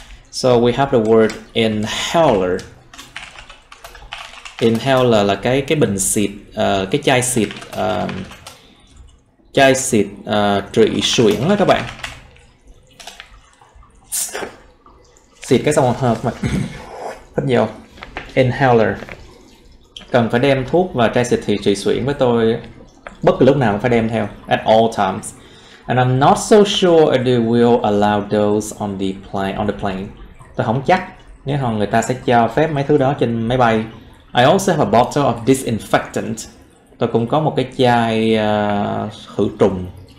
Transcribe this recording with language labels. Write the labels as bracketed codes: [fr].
[en] So we have the word inhaler. [vi] Inhale là cái bình xịt, cái chai xịt, trị suyễn đó các bạn. Xịt cái xong rồi hợp mà hít vô. Inhaler. Cần phải đem thuốc và chai xịt thì trị suyễn với tôi bất cứ lúc nào cũng phải đem theo. [en] At all times. And I'm not so sure if they will allow those on the plane. [vi] Tôi không chắc nếu họ người ta sẽ cho phép mấy thứ đó trên máy bay. [en] I also have a bottle of disinfectant. [vi] Tôi cũng có một cái chai khử trùng.